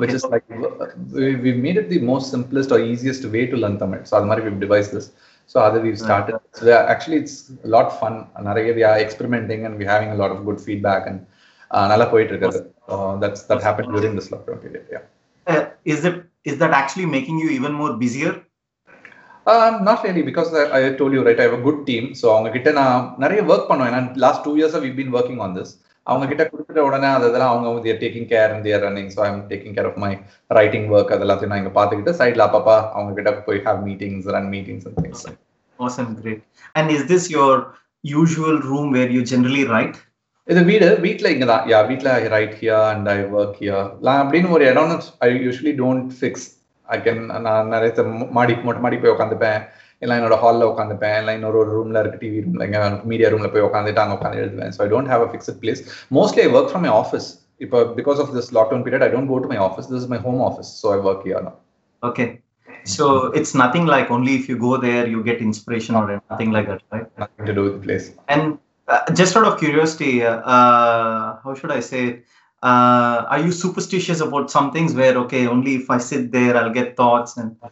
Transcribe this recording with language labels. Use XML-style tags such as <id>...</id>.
<en>Which is like we made it the most simplest or easiest way to learn Tamil so</en> <ta>adhu mari</ta> <en>we have devised this so அதை we start so actually it's lot fun நிறைய we are experimenting and we having lot of good feedback and</en> <ta>நல்லா போயிட்டு இருக்கிறது</ta> <en>that happen during this lockdown period yeah is that actually making you even more busier not really because I told you right I have a good team so</en> <ta>அவங்க கிட்ட நான் நிறைய work பண்ணுவேன்</ta> <en>last two years we been working on this</en> <ta>அவங்ககிட்ட கொடுத்துட்ட உடனே அதெல்லாம் அவங்க வந்து</ta> <en>they're taking care and they're running so I am taking care of my writing work</en> <ta>அதெல்லாம் நான் இங்கே பார்த்துக்கிட்டு சைடில் அப்பப்பா அவங்க கிட்ட போய்</ta> <en>Have meetings run meetings and things Awesome, great. And is this your usual room where you generally write?</en> <ta>இது வீடு வீட்டில் இங்கே தான் யா வீட்டில்</ta> <en>I write here and I work here</en> <ta>அப்படின்னு ஒரு இடம்</ta> <en>I usually don't fix I can</en> <ta>நான் நிறைய மாடி மொட்டை மாடி போய் உட்காந்துப்பேன் இல்லை என்னோட ஹாலில் உட்காந்துப்பேன் இல்லை இன்னொரு ரூமில் இருக்குது டிவி ரூமில் எங்கே மீடியா ரூமில் போய் உட்காந்துட்டு அங்கே உட்காந்து எழுதுவேன்</ta> <en>So I don't have a fixed place mostly I work from my office இப்போ because of this lockdown period I don't go to my office this is my home office so I work here okay So it's nothing like only if you go there you get inspiration or nothing like that, right? Nothing to do with the place. And just out of curiosity, how should I say it? Are you superstitious about some things where, okay, only if I sit there, I'll get thoughts and...</en>